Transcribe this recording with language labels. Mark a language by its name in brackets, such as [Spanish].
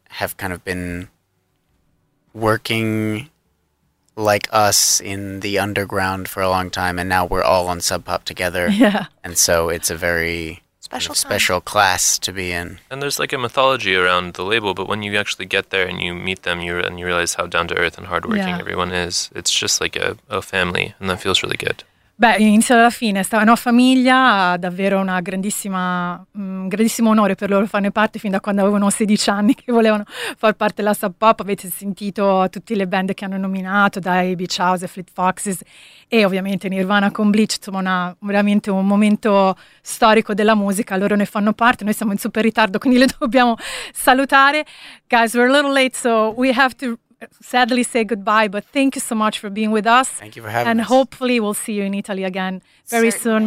[English] have kind of been working like us in the underground for a long time, and now we're all on Sub Pop together. Yeah. And so it's a very special, special class to be in. And there's like a mythology around the label, but when you actually get there and you meet them, you and you realize how down to earth and hardworking everyone is, it's just like a family, and that feels really good. [Italian] Beh, inizio alla fine, è una famiglia, davvero una grandissima, grandissimo onore per loro farne parte fin da quando avevano 16 anni che volevano far parte della Sub Pop. Avete sentito tutte le band che hanno nominato, dai Beach House, Fleet Foxes e ovviamente Nirvana con Bleach, insomma una, veramente un momento storico della musica, loro ne fanno parte, noi siamo in super ritardo quindi le dobbiamo salutare. [English] Guys, we're a little late so we have to... sadly say goodbye, but thank you so much for being with us. Thank you for having and us. And hopefully we'll see you in Italy again very soon.